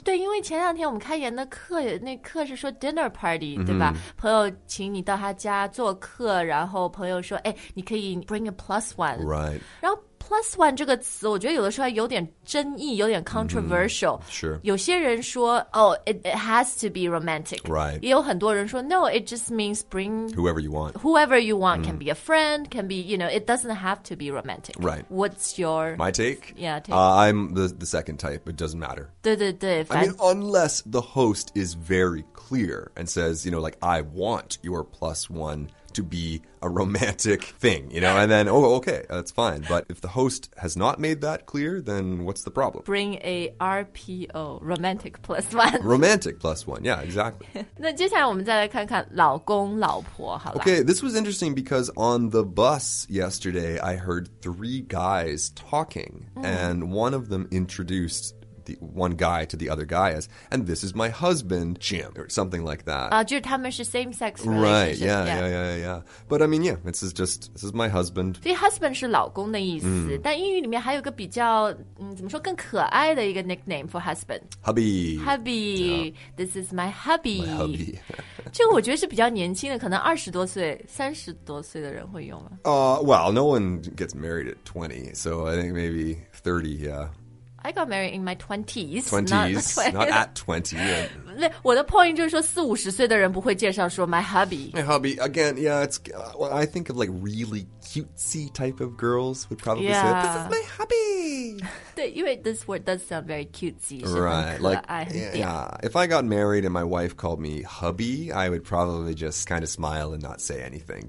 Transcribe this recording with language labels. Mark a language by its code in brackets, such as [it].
[zh] 对，因为前两天我们开研的课，那课是说 dinner party,、mm-hmm. 对吧？朋友请你到他家做客，然后朋友说，哎，你可以 [en] bring a plus one. Right. 然后 plus one 这个词，我觉得有的时候有点争议，有点 controversial.、 Mm-hmm. Sure. [zh] 有些人说， [en] it has to be romantic. Right. [zh] 也有很多人说 [en] ，no, it just means bring whoever you want. Whoever you want、mm-hmm. can be a friend, can be, you know, it doesn't have to be romantic. Right. What's your my take? Yeah, take. I'm the second type. It doesn't matter. [zh] 对对对 [en] I mean, unless the host is very clear and says, you know, like, I want your plus one. To be a romantic thing, you know, and then, oh, okay, that's fine. But if the host has not made that clear, then what's the problem? Bring a RPO, romantic plus one. Romantic plus one, yeah, exactly. [zh] 那接下来我们再来看看老公老婆好了。 [en] Okay, this was interesting because on the bus yesterday, I heard three guys talking, and one of them introduced... The one guy to the other guy is, and this is my husband, Jim, or something like that. Just them are same-sex relationship. Right, yeah. But I mean, yeah, this is my husband. [zh] So husband is 老公的意思、但英语里面还有个比较、怎么说更可爱的一个 [en] nickname for husband. Hubby.、 Yeah. This is my hubby. My hubby. [zh] 这个我觉得是比较年轻的，可能二十多岁、三十多岁的人会用吗、 [en] Well, no one gets married at 20, so I think maybe 30, yeah. I got married in my 20s. 20s, not at 20. [zh] 我的 point 就是说四五十岁的人不会介绍说 [en] my hubby. My hubby, again, yeah, it's,、I think of like really cutesy type of girls would probably、 yeah. say, this is my hubby. [zh] 对因为 [en] this word does sound very cutesy. Right, like, yeah. If I got married and my wife called me hubby, I would probably just kind of smile and not say anything.